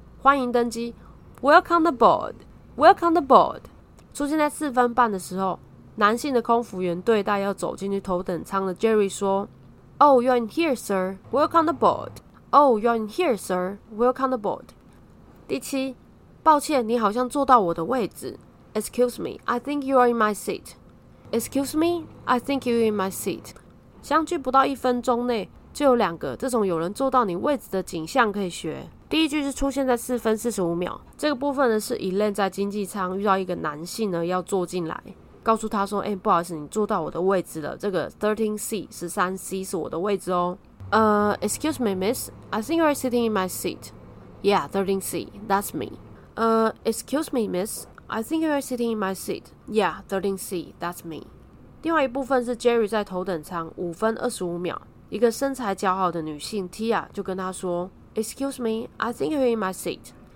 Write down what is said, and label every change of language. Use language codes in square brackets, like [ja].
[zh] 欢迎登机 [en] Welcome aboard. Welcome aboard. [zh] 出现在四分半的时候，男性的空服员对待要走进去头等舱的 Jerry 说 [en] Oh, you're in here, sir. Welcome aboard. Oh, you're in here, sir. Welcome aboard. [zh] 第七，抱歉，你好像坐到我的位置。 [en] Excuse me, I think you are in my seat. Excuse me, I think you are in my seat. [zh] 相距不到一分钟内，就有两个这种有人坐到你位置的景象可以学。第一句是出现在4分45秒，这个部分呢是 Elaine 在经济舱遇到一个男性呢要坐进来。告诉他说欸，不好意思，你坐到我的位置了，这个 13C 是我的位置哦。 [en] Excuse me, miss, I think you are sitting in my seat. Yeah, 13C, that's me. Excuse me, miss, I think you are sitting in my seat. Yeah, 13C, that's me. [zh] 另外一部分是 Jerry 在头等舱5分25秒，一个身材姣好的女性 Tia 就跟他说 [en] Excuse me, I think you are in my seat.